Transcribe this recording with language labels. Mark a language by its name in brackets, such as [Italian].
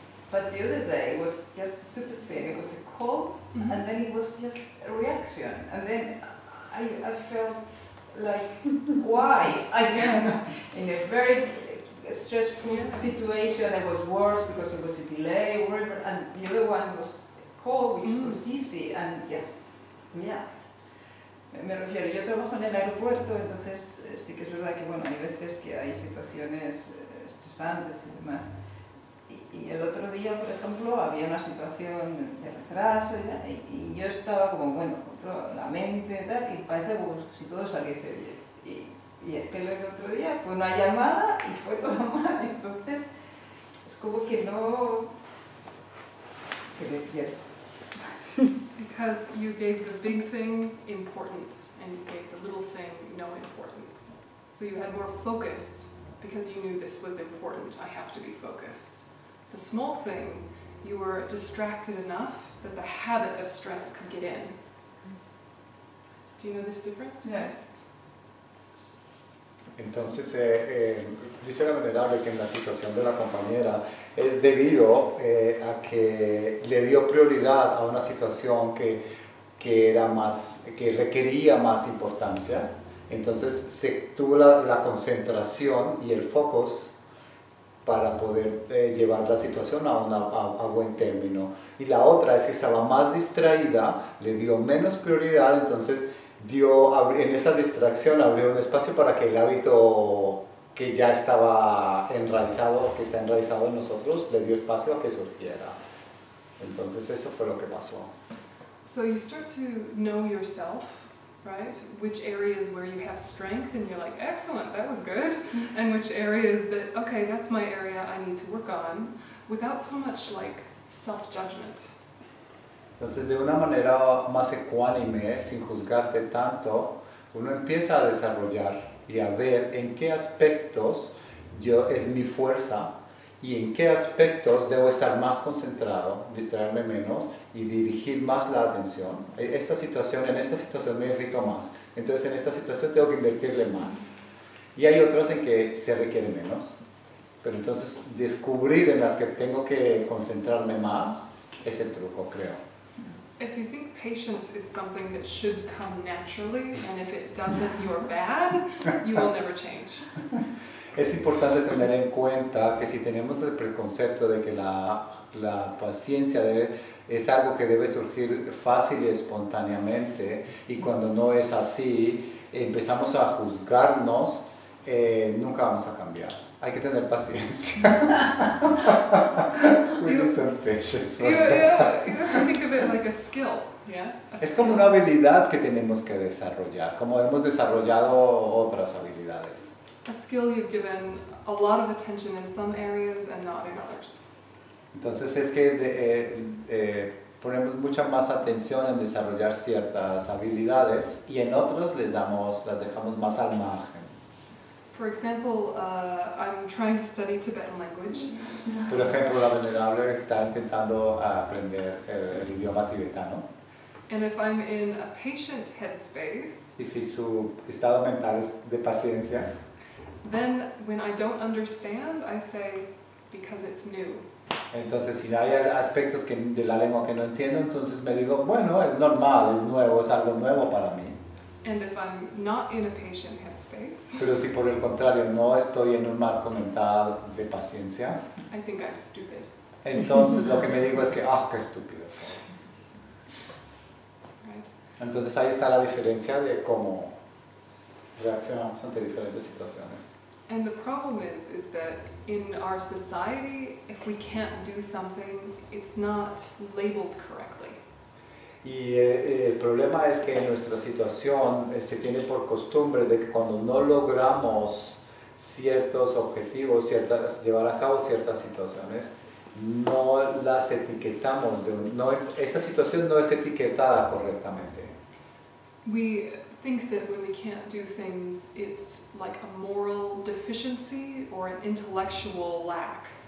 [English] But the other day, it was just a stupid thing. It was a call, and then it was just a reaction. And then I felt like, why? Again, in a very stressful situation, it was worse because it was a delay, whatever. And the other one was call, which was easy, and just react. [Spanish] Me refiero, yo trabajo en el aeropuerto, entonces sí que es verdad que bueno, hay veces que hay situaciones estresantes y demás. Y el otro día, por ejemplo, había una situación de retraso y yo estaba como, bueno, control, la mente y tal, y parece como si todo saliese bien. Y es que el otro día fue una llamada y fue todo mal, entonces es como que no... que me pierdo. [English] Because you gave the big thing importance and you gave the little thing no importance. So you had more focus because you knew this was important, I have to be focused. The small thing, you were distracted enough that the habit of stress could get in. Do you know this difference? Yes. [Spanish] Entonces, dice la venerable que en la situación de la compañera es debido a que le dio prioridad a una situación que era más, que requería más importancia. Entonces, se tuvo la concentración y el focus para poder llevar la situación a buen término. Y la otra es que estaba más distraída, le dio menos prioridad, entonces dio, en esa distracción abrió un espacio para que el hábito que ya estaba enraizado, que está enraizado en nosotros, le dio espacio a que surgiera. Entonces eso fue lo que pasó. [English] So you start to know yourself, right? Which areas where you have strength and you're like, excellent, that was good. And which areas that, okay, that's my area I need to work on, without so much like self-judgment. [Spanish] Entonces, de una manera más ecuánime, sin juzgarte tanto, uno empieza a desarrollar y a ver en qué aspectos yo es mi fuerza y en qué aspectos debo estar más concentrado, distraerme menos y dirigir más la atención. Esta situación, en esta situación me irrito más, entonces en esta situación tengo que invertirle más. Y hay otras en que se requiere menos, pero entonces descubrir en las que tengo que concentrarme más es el truco, creo. [English] If you think patience is something that should come naturally, and if it doesn't, you're bad, you will never change. [Spanish] Es importante tener en cuenta que si tenemos el preconcepto de que la paciencia es algo que debe surgir fácil y espontáneamente, y cuando no es así, empezamos a juzgarnos, nunca vamos a cambiar. Hay que tener paciencia. [English] We need some patience. Like a skill, yeah? [Spanish] Es como una habilidad que tenemos que desarrollar, como hemos desarrollado otras habilidades. [English] A skill you've given a lot of attention in some areas and not in others. [Spanish] Entonces es que ponemos mucha más atención en desarrollar ciertas habilidades y en otros las dejamos más al margen. [English] For example, I'm trying to study Tibetan language. [Spanish] Por ejemplo, la venerable está intentando aprender el idioma tibetano. [English] And if I'm in a patient headspace, [Spanish] y si su estado mental es de paciencia, [English] then when I don't understand, I say, because it's new. [Spanish] Entonces, si hay aspectos que, de la lengua que no entiendo, entonces me digo, bueno, es normal, es nuevo, es algo nuevo para mí. [English] And if I'm not in a patient headspace, [Spanish] pero si por el contrario no estoy en un marco mental de paciencia, [English] I think I'm stupid. [Spanish] Entonces lo que me digo es que, ah, oh, qué estúpido soy. [English] Right. [Spanish] Entonces ahí está la diferencia de cómo reaccionamos ante diferentes situaciones. [English] And the problem is that in our society, if we can't do something, it's not labeled correctly. [Spanish] Y el problema es que en nuestra situación se tiene por costumbre de que cuando no logramos ciertos objetivos, llevar a cabo ciertas situaciones, no las etiquetamos, esa situación no es etiquetada correctamente. [English] We think that when we can't do things, it's like a moral deficiency or an intellectual lack.